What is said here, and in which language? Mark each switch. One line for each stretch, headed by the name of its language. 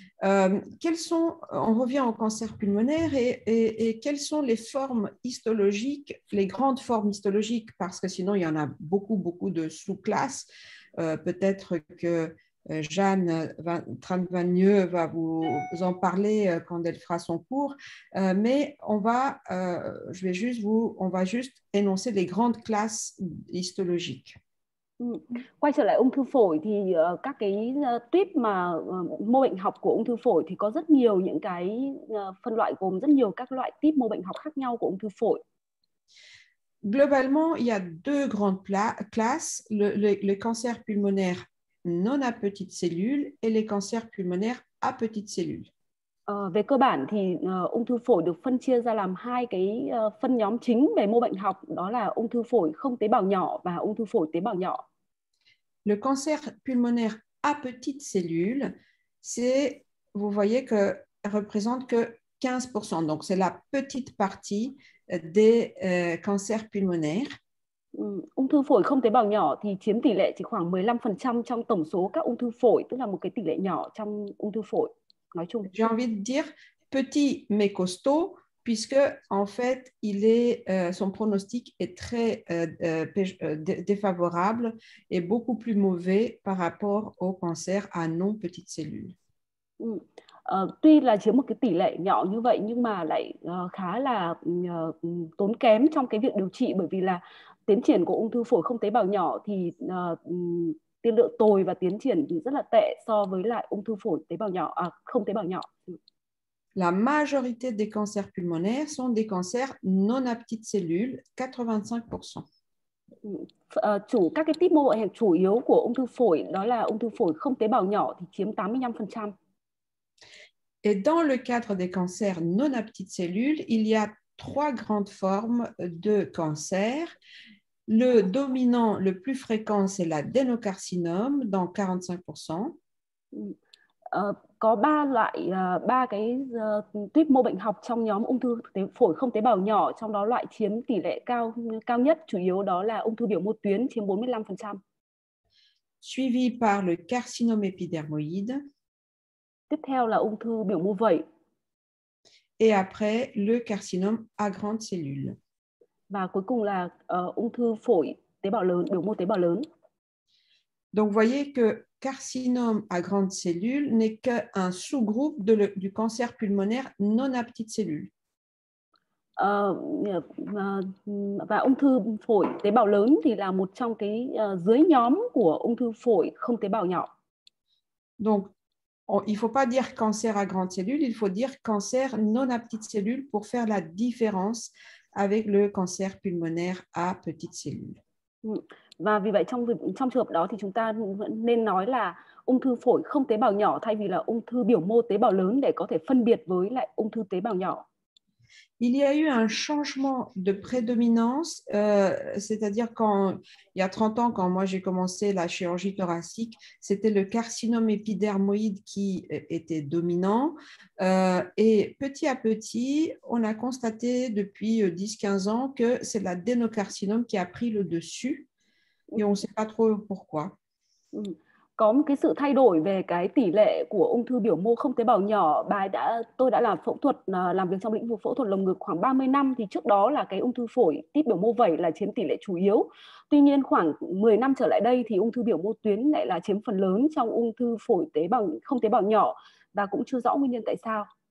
French: On revient au cancer pulmonaire et quelles sont les formes histologiques, les grandes formes histologiques, parce que sinon il y en a beaucoup beaucoup de sous-classes. Peut-être que Jeanne Tranvagneux va vous en parler quand elle fera son cours, mais on va juste énoncer les grandes classes histologiques.
Vietnamese: Quay trở lại ung thư phổi thì các cái tuýp mà mô bệnh học của ung thư phổi thì có rất nhiều những cái phân loại, gồm rất nhiều các loại tuýp mô bệnh học khác nhau của ung thư phổi.
French: Globalement, il y a deux grandes classes, le cancer pulmonaire non à petites cellules et les cancers pulmonaires à petites cellules.
Vietnamese: Về cơ bản thì ung thư phổi được phân chia ra làm hai cái phân nhóm chính về mô bệnh học, đó là ung thư phổi không tế bào nhỏ và ung thư phổi tế bào nhỏ.
French: Le cancer pulmonaire à petites cellules, c'est, vous voyez que représente que 15%, donc c'est la petite partie des cancers pulmonaires.
Vietnamese: Ung thư phổi không tế bào nhỏ thì chiếm tỷ lệ chỉ khoảng 15% trong tổng số các ung thư phổi, tức là một cái tỷ lệ nhỏ trong ung thư phổi nói chung.
French: J'ai envie de dire petit mais costaud, puisque en fait, il est son pronostic est très défavorable et beaucoup plus mauvais par rapport au cancer à non petites cellules.
Vietnamese: Tuy là chiếm một cái tỷ lệ nhỏ như vậy nhưng mà lại khá là tốn kém trong cái việc điều trị, bởi vì là tiến triển của ung thư phổi không tế bào nhỏ thì tiên lượng tồi và tiến triển thì rất là tệ so với lại ung thư phổi tế bào nhỏ, không tế bào nhỏ.
French: La majorité des cancers pulmonaires sont des cancers non à petites cellules, 85%.
Vietnamese: Chủ các cái type mô bệnh chủ yếu của ung thư phổi đó là ung thư phổi không tế bào nhỏ thì chiếm 85%.
French: Et dans le cadre des cancers non à petites cellules, il y a trois grandes formes de cancers. Le dominant, le plus fréquent, c'est l'adénocarcinome, dans 45%.
Vietnamese: Có ba loại ba cái type mô bệnh học trong nhóm ung thư phổi không tế bào nhỏ, trong đó loại chiếm tỷ lệ cao cao nhất chủ yếu đó là ung thư biểu mô tuyến chiếm 45%.
French: Suivi par le carcinome épidermoïde.
Vietnamese: Tiếp theo là ung thư biểu mô vẩy.
French: Et après, le carcinome à grandes cellules.
Vietnamese: Và cuối cùng là ung thư phổi tế bào lớn, biểu mô tế bào lớn.
French: Donc, vous voyez que carcinome à grandes cellules n'est qu'un sous-groupe du cancer pulmonaire non à petites cellules.
Vietnamese: Và ung thư phổi tế bào lớn thì là một trong cái dưới nhóm của ung thư phổi không tế bào nhỏ.
French: Donc, il ne faut pas dire cancer à grandes cellules, il faut dire cancer non à petites cellules pour faire la différence avec le cancer pulmonaire à petites cellules.
Vietnamese: Và vì vậy trong trong trường hợp đó thì chúng ta nên nói là ung thư phổi không tế bào nhỏ thay vì là ung thư biểu mô tế bào lớn để có thể phân biệt với lại ung thư tế bào nhỏ.
French: Il y a eu un changement de prédominance, c'est-à-dire quand il y a 30 ans, quand moi j'ai commencé la chirurgie thoracique, c'était le carcinome épidermoïde qui était dominant. Et petit à petit, on a constaté depuis 10-15 ans que c'est l'adénocarcinome qui a pris le dessus et on ne sait pas trop pourquoi.
Vietnamese: Có một cái sự thay đổi về cái tỷ lệ của ung thư biểu mô không tế bào nhỏ. Tôi đã làm phẫu thuật, làm việc trong lĩnh vực phẫu thuật lồng ngực khoảng 30 năm, thì trước đó là cái ung thư phổi típ biểu mô vẩy là chiếm tỷ lệ chủ yếu. Tuy nhiên khoảng 10 năm trở lại đây thì ung thư biểu mô tuyến lại là chiếm phần lớn trong ung thư phổi tế bào không tế bào nhỏ, và cũng chưa rõ nguyên nhân tại sao.